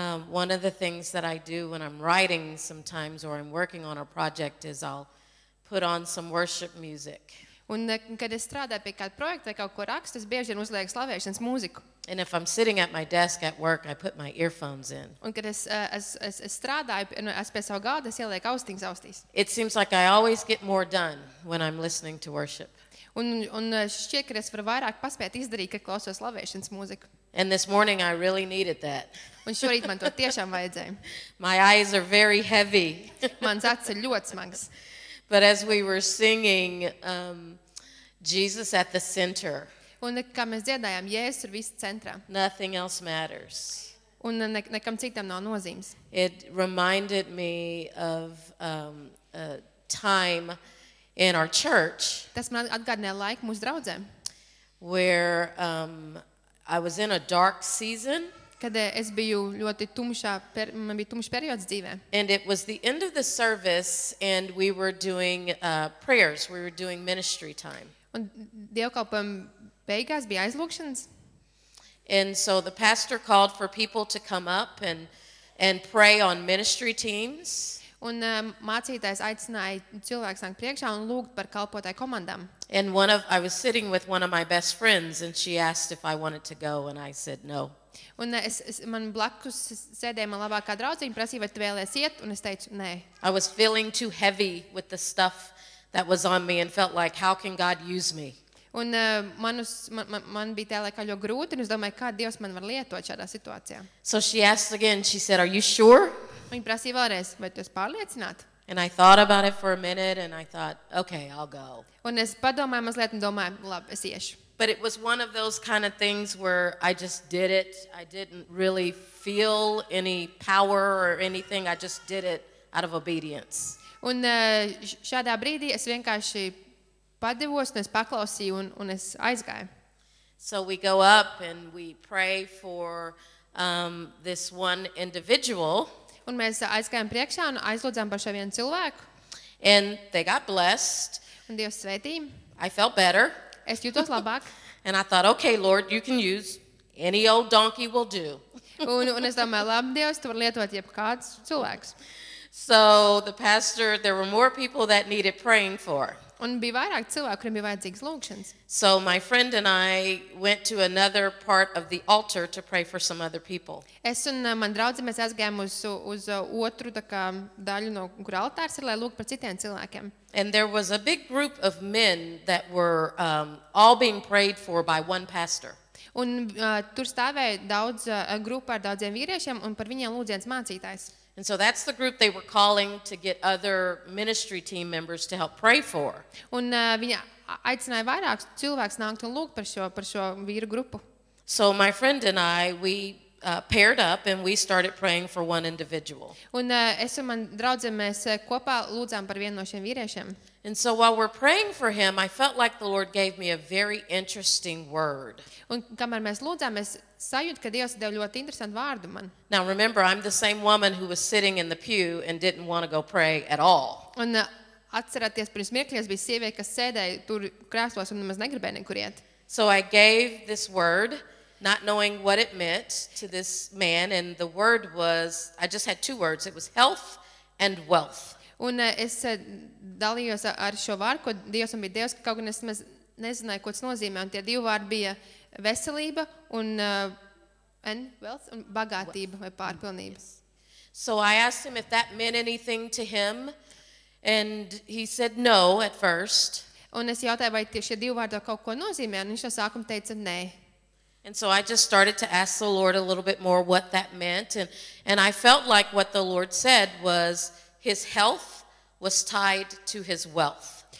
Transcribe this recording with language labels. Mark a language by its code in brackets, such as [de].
[en] One of the things that I do when I'm writing sometimes or I'm working on a project is I'll put on some worship music. [lv] Un kad es strādāju pie kāda projekta vai kaut ko rakstu, es bieži vien uzlieku slavēšanas mūziku. [en] And if I'm sitting at my desk at work, I put my earphones in. [lv] Un kad es strādāju, es pie savu galda, es ielieku austiņas austīs. [en] It seems like I always get more done when I'm listening to worship. [lv] Un šķiet, ka es varu vairāk paspēt izdarīt, kad klausos slavēšanas mūziku. [en] And this morning I really needed that. [lv] Un šorīt man to tiešām vajadzēja. [en] My eyes are very heavy. [lv] Mans acis ir ļoti smags. [en] But as we were singing Jesus at the center. [lv] Un kā mēs dziedājām, Jēzus ir viss centrā. [en] Nothing else matters. [lv] Un nekam citam nav nozīmes. [en] It reminded me of a time in our church. [lv] Tas man atgādināja laiku mūsu draudzēm. [en] Where I was in a dark season. [lv] Kad es biju ļoti tumšā, man bija tumšs periods dzīvē. [en] And it was the end of the service and we were doing prayers, we were doing ministry time. [lv] Un dievkalpojuma beigās bija aizlūkšanas. [en] And so the pastor called for people to come up and pray on ministry teams. [lv] Un mācītājs aicināja cilvēku sākt priekšā un lūgt par kalpotāju komandām. [en] And one of I was sitting with one of my best friends and she asked if I wanted to go and I said no. [lv] Un es man blakus sēdēja man labākā draudziņa, prasīja, vai tu vēlies iet, un es teicu, nē. [en] I was feeling too heavy with the stuff that was on me and felt like how can God use me? [lv] Un man bija tā laikā ļoti grūti, un es domāju, kā Dievs man var lietot šādā situācijā. [en] So she asked again, she said, are you sure? [lv] Viņa prasīja vēlreiz, vai tu esi pārliecināts? [en] And I thought about it for a minute and I thought, okay, I'll go. [lv] Un es padomāju mazliet un domāju, labi, es iešu. [en] But it was one of those kind of things where I just did it. I didn't really feel any power or anything. I just did it out of obedience. [lv] Un šādā brīdī es vienkārši padevos, un es paklausīju un es aizgāju. [en] So we go up and we pray for this one individual. [lv] Un mēs aizgājām priekšā un aizlūdzām par šo vienu cilvēku. [en] And they got blessed. [lv] Un Dievs svētīja. [en] I felt better. [lv] Es jūtos labāk. [en] And I thought, okay, Lord, you can use any old donkey will do. [lv] Un es domāju, labi, Dievs, tu var lietot jebkāds cilvēks. [en] So the pastor, there were more people that needed praying for. [lv] Un bija vairāk cilvēku, kuriem bija vajadzīgas lūkšanas. [en] So my friend and I went to another part of the altar to pray for some other people. [lv] Es un man draudze, mēs aizgājām uz otru tā kā daļu no, kur altārs ir, lai lūk par citiem cilvēkiem. [en] And there was a big group of men that were all being prayed for by one pastor. [lv] Un tur stāvēja daudz grupa ar daudziem vīriešiem un par viņiem lūdziens mācītājs. [en] And so that's the group they were calling to get other ministry team members to help pray for. [lv] Un viņa aicināja vairākus cilvēkus nākt un lūgt par šo vīru grupu. [en] So my friend and I, we paired up and we started praying for one individual. [lv] Un es un man draudze, mēs kopā lūdzām par vienu no šiem vīriešiem. [en] And so while we're praying for him, I felt like the Lord gave me a very interesting word. [lv] Un kamēr mēs lūdzām, es sajūtu, ka Dievs deva ļoti interesantu vārdu man. [en] Now remember, I'm the same woman who was sitting in the pew and didn't want to go pray at all. [lv] Un atcerieties, pirms mirkļiem bija sieviete, kas sēdēja tur krēslos un nemaz negribēja nekur iet. [en] So I gave this word, not knowing what it meant to this man, and the word was, I just had two words, it was health and wealth. [lv] Un es dalījos ar šo vārdu, ko Dievs man bija Dievs, ka kaut gan es mēs nezināju, ko tas nozīmē. Un tie divi vārdi bija veselība un wealth, un bagātība vai pārpilnība. [en] So I asked him if that meant anything to him, and he said no at first. [lv] Un es jautāju, vai šie divi vārdi kaut ko nozīmē, un viņš no sākuma teica nē. [en] And so I just started to ask the Lord a little bit more what that meant, and I felt like what the Lord said was, his health was tied to his wealth.